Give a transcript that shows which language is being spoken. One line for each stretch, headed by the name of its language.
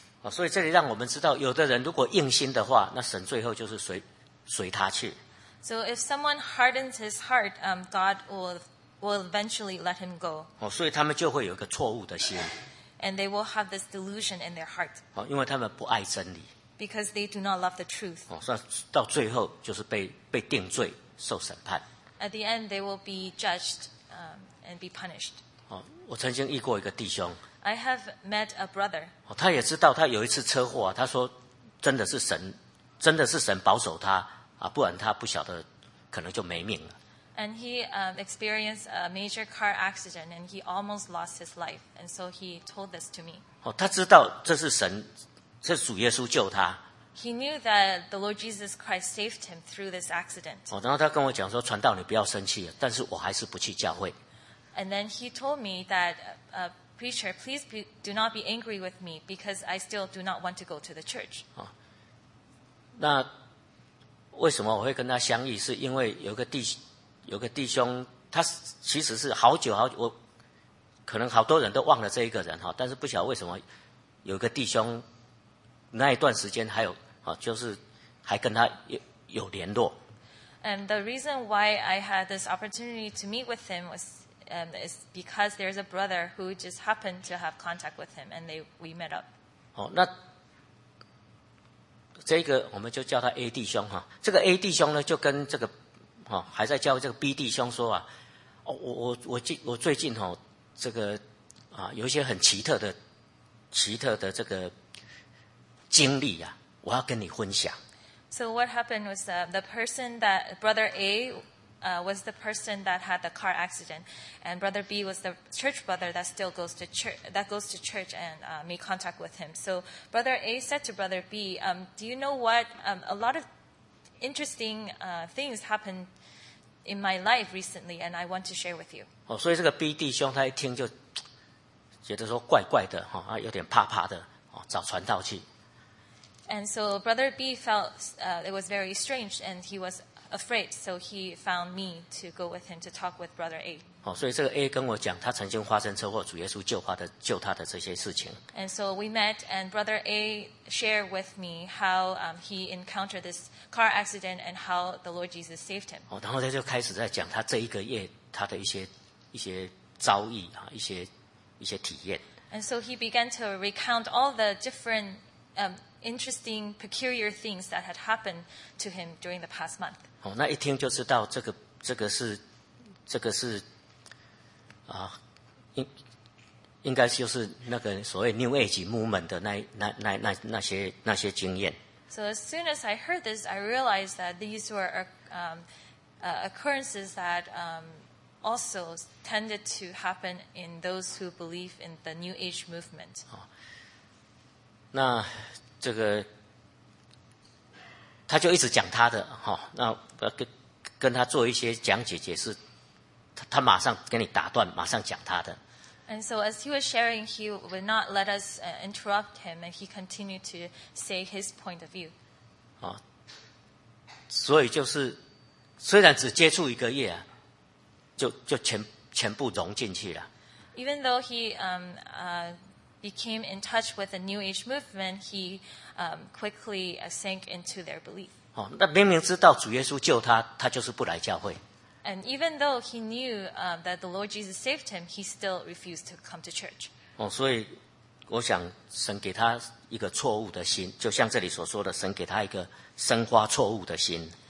Chinese: 所以这里让我们知道，有的人如果硬心的话，那神最后就是随他去。
English: So if someone hardens his heart, God will eventually let him go.
Chinese: 所以他们就会有一个错误的心。
English: And they will have this delusion in their heart.
Chinese: 因为他们不爱真理。
English: Because they do not love the truth.
Chinese: 所以到最后就是被定罪受审判。
English: At the end, they will be judged, and be punished.
Chinese: 我曾经遇过一个弟兄。
English: I have met a brother.
Chinese: 他也知道他有一次车祸，他说真的是神保守他啊，不然他不晓得可能就没命了。
English: And he experienced a major car accident and he almost lost his life. And so he told this to me.
Chinese: 他知道这是神，这是主耶稣救他。
English: He knew that the Lord Jesus Christ saved him through this accident.
Chinese: 然后他跟我讲说，传道你不要生气，但是我还是不去教会。
English: And then he told me that Preacher, please do not be angry with me because I still do not want to go to the church.
Chinese: 那为什么我会跟他相遇？是因为有个弟兄，他其实是好久，我可能好多人都忘了这一个人，但是不晓得为什么有个弟兄那一段时间还有，就是还跟他有联络。
English: And the reason why I had this opportunity to meet with him was is because there's a brother who just happened to have contact with him and we met up.
Chinese: 那这个我们就叫他 A 弟兄哈，这个 A 弟兄呢就跟这个还在教这个 B 弟兄说啊，我最近哈这个有一些很奇特的这个经历啊，我要跟你分享。
English: So what happened was the person that brother A was the person that had the car accident, and Brother B was the church brother that still goes to church and made contact with him. So Brother A said to Brother B, "Do you know what? A lot of interesting things happened in my life recently, and I want to share with you."
Chinese: 所以这个 B 弟兄他一听就觉得说怪怪的哈，有点怕怕的哦，找传道去。
English: And so Brother B felt it was very strange, and he was afraid, so he found me to go with him to talk with Brother A.
Chinese: 哦，所以这个 A 跟我讲，他曾经发生车祸，主耶稣救他的这些事情。
English: And so we met, and Brother A shared with me how he encountered this car accident and how the Lord Jesus saved him.
Chinese: 哦，然后他就开始在讲他这一个月他的一些遭遇啊，一些体验。
English: And so he began to recount all the different interesting, peculiar things that had happened to him during the past month.
Chinese: 哦，那一听就知道这个是。啊，应该就是那个所谓 New Age movement 的那些经验。
English: So as soon as I heard this, I realized that these were occurrences that also tended to happen in those who believe in the New Age movement. 哦，
Chinese: 那这个他就一直讲他的哈、哦，那跟他做一些讲解解释。他马上跟你打断，马上讲他的。
English: And so as he was sharing, he would not let us interrupt him, and he continued to say his point of view.
Chinese: 哦，所以就是虽然只接触一个月啊，就全部融进去了。
English: Even though he became in touch with the New Age movement, he quickly sank into their belief.
Chinese: 哦，那明明知道主耶稣救他，他就是不来教会。
English: And even though he knew that the Lord Jesus saved him, he still refused to come to church.
Chinese: 哦，所以我想神给他一个错误的心，就像这里所说的，神给他一个生花错误的心。